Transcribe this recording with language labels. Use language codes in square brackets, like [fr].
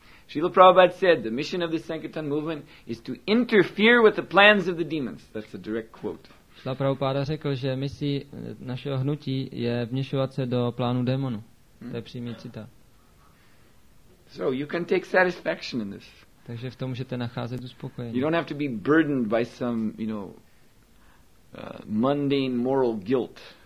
[en] Srila Prabhupada said, the mission of the Sankirtan movement is to interfere with the plans of the demons. That's a direct quote. [cs] Srila Prabhupada řekl, že misí našeho hnutí je vměšovat se do plánu démonu. To je přímý citát. [en] So you can take satisfaction in this. [cs] Takže v tom můžete nacházet uspokojení. [en] You don't have to be burdened by some, you know, mundane moral guilt.